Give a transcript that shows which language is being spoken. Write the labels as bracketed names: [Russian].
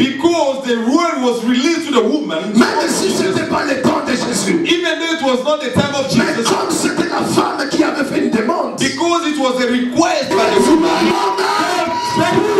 [English] because the word was released to the woman, [French] même si c'était pas le temps de Jésus, [English] even though it was not the time of Jesus, [French] mais comme c'était la femme qui avait fait une demande, [English] because it was a request by the woman, I